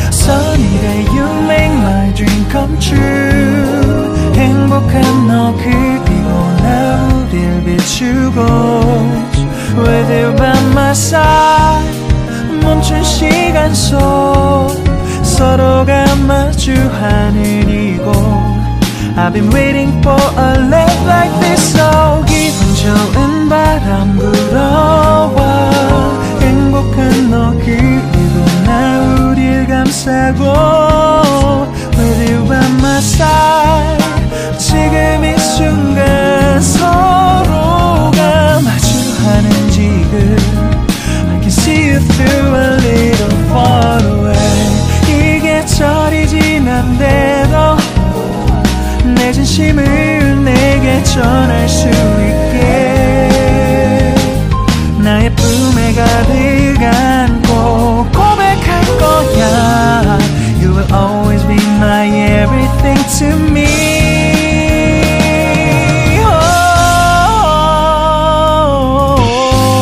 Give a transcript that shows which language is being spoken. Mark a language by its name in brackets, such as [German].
[English] Sunny day you make my dream come true. [Korean] 행복한 너 그리고 나 우릴 비추고. [English] With you by my side [Korean] 멈춘 시간 속 서로가 마주하는 이곳. [English] I've been waiting for a love like this. [Korean] So 기분 좋은 바람 불어와. 행복한 너 그리고 나 우릴 감싸고. [English] With you by my side [Korean] 지금 이 순간 서로가 마주하는 지금. [English] I can see you through a little far away. [Korean] 이 계절이 지난대로 내 진심을 내게 전할 수 있게. 나의 품에 가득 안고 고백할 거야. [English] You will always be my everything to me. Oh, oh, oh, oh.